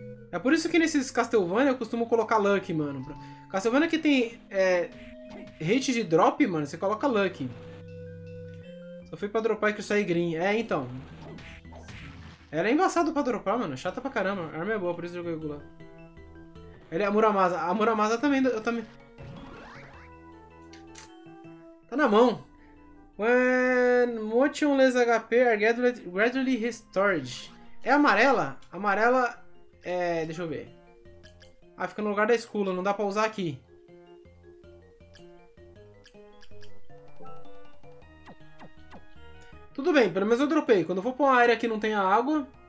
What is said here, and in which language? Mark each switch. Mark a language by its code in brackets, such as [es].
[pt] É por isso que nesses Castlevania eu costumo colocar Lucky, mano. Castlevania que tem rate de drop, mano, você coloca Lucky. Só foi pra dropar Crisai Green. É, então. Ela é embaçada pra dropar, mano. Chata pra caramba. A arma é boa, por isso eu jogo regular. Ele é a Muramasa. A Muramasa também. Eu também. Tá na mão. [en] When motionless HP are gradually restored. [pt] É amarela? Amarela é. Deixa eu ver. Ah, fica no lugar da Skula. Não dá pra usar aqui. Tudo bem, pelo menos eu dropei. Quando eu for pra uma área que não tenha água.